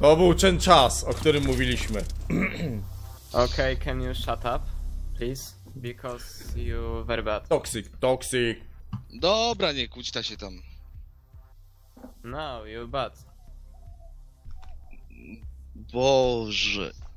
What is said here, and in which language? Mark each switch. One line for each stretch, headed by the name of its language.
Polish: To był ten czas, o którym mówiliśmy.
English: Okay, can you shut up, please? Because you very bad. Toxic, toxic.
Polish: Dobra, nie kłóćta się tam.
English: No, you bad.
Polish: Boże.